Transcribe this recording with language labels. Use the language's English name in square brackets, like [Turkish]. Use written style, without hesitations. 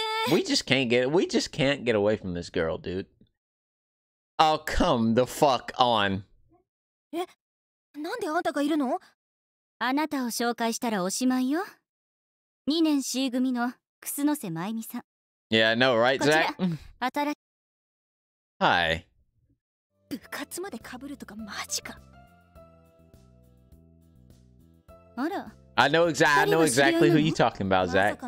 [English] We just can't get away from this girl, dude. Oh, come the fuck on. [Japanese] なんであんたがいるの？あなたを紹介したらおしまいよ。2年 C 組のクスノセマイミさん。 [English] Yeah, I know, right, Zach? Hi. [Japanese] 部活まで被るとかマジか。あら。 [English] I know exactly who you're talking about, Zach.